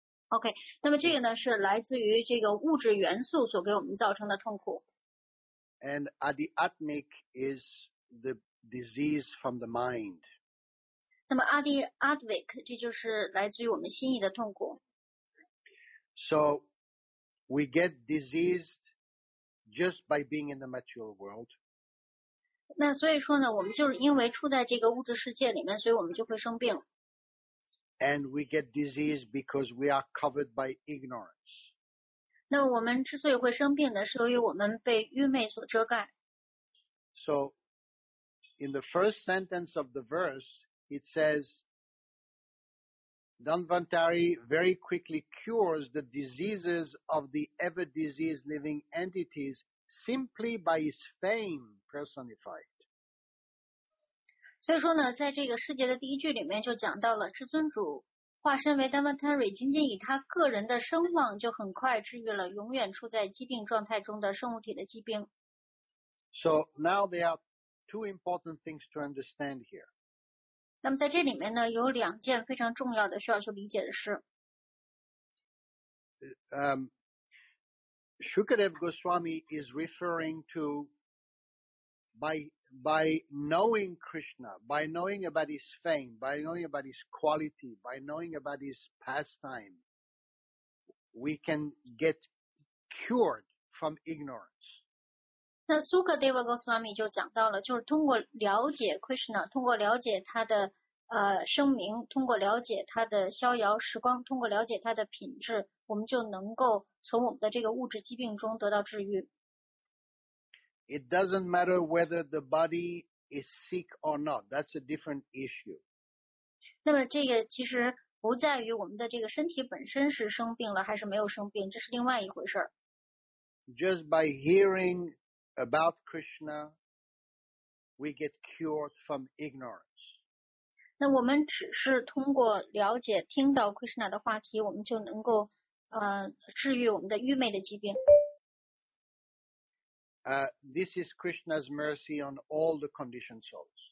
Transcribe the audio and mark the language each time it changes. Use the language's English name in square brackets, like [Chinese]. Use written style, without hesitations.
[Chinese] OK, 那么这个呢是来自于这个物质元素所给我们造成的痛苦。 [English] And adiatmic is the disease from the mind. [Chinese] 那么 adiatmic 这就是来自于我们心意的痛苦。 [English] So, we get diseased just by being in the material world. [Chinese] 那所以说呢，我们就是因为处在这个物质世界里面，所以我们就会生病。 [English] And we get diseased because we are covered by ignorance. [Chinese] 那我们之所以会生病呢，是由于我们被愚昧所遮盖。 [English] So, in the first sentence of the verse, it says,Dhanvantari very quickly cures the diseases of the ever-diseased living entities simply by his fame personified. [Chinese] 所以说呢，在这个世界的第一句里面就讲到了至尊主化身为 Dhanvantari， 仅仅以他个人的声望就很快治愈了永远处在疾病状态中的生物体的疾病。 [English] So now there are two important things to understand here. [Chinese] 那么在这里面呢，有两件非常重要的需要去理解的事。 [English] Shukadev Goswami is referring to by knowing Krishna, by knowing about his fame, by knowing about his quality, by knowing about his pastime, we can get cured from ignorance. [Chinese] 那 Sukadev Goswami 就讲到了，就是通过了解 Krishna， 通过了解他的声名，通过了解他的逍遥时光，通过了解他的品质，我们就能够从我们的这个物质疾病中得到治愈。 [English] It doesn't matter whether the body is sick or not. That's a different issue. [Chinese] 那么这个其实不在于我们的这个身体本身是生病了还是没有生病，这是另外一回事。 [English] Just by hearing about Krishna, we get cured from ignorance. [Chinese] 那我们只是通过了解听到 Krishna 的话题，我们就能够治愈我们的愚昧的疾病。 [English] This is Krishna's mercy on all the conditioned souls.